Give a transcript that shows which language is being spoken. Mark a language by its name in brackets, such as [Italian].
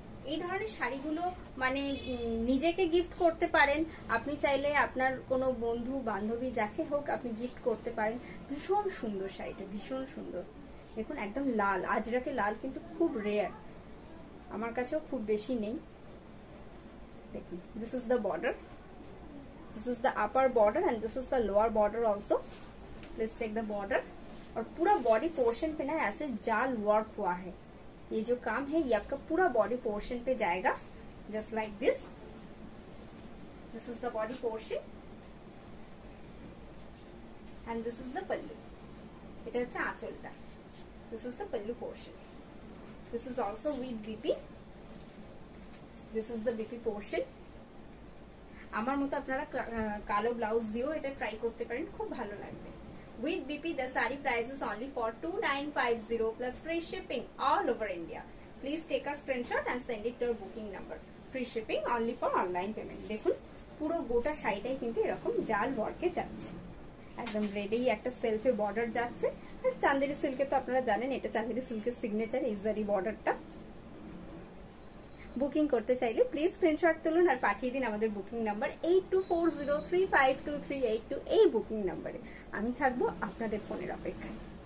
[Bangla] এই ধরনের শাড়িগুলো মানে নিজেকে গিফট করতে পারেন, আপনি চাইলে আপনার কোনো বন্ধু বান্ধবী যাকে হোক আপনি গিফট করতে পারেন। ভীষণ সুন্দর শাড়িটা, ভীষণ সুন্দর, দেখুন একদম লাল, আজরাকে লাল কিন্তু খুব রেয়ার, আমার কাছেও খুব বেশি নেই। [English] This is the border, this is the upper border and this is the lower border also. Let's check the border. [Hindi] और पूरा body portion पे ना ऐसे जाल work हुआ है, ये जो काम है ये आपका पूरा body portion पे जाएगा [English] just like this. This is the body portion and this is the pallu. [Bangla] इटा अच्छा आंचलटा, [English] this is the pallu portion. This is also with BP. This is the BP portion. [Bangla] আমার মতো আপনারা কালো ব্লাউজ দিও এটা ট্রাই করতে পারেন, খুব ভালো লাগবে। [English] With BP the saree price is only for 2950 plus free shipping all over India. Please take a screenshot and send it to your booking number. Free shipping only for online payment. [Bangla] দেখুন পুরো গোটা শাড়িটাই কিন্তু এরকম জাল ওয়ার্কে যাচ্ছে, একদম ready একটা সেলফে border যাচ্ছে। আর চান্দেরি সিল্কে তো আপনারা জানেন এটা চান্দেরি সিল্কের সিগনেচার ইজারি বর্ডারটা। বুকিং করতে চাইলে প্লিজ স্ক্রিনশট তুলুন আর পাঠিয়ে দিন আমাদের বুকিং নাম্বার 8240352382 এই বুকিং নাম্বারে, আমি থাকবো আপনাদের ফোনের অপেক্ষায়।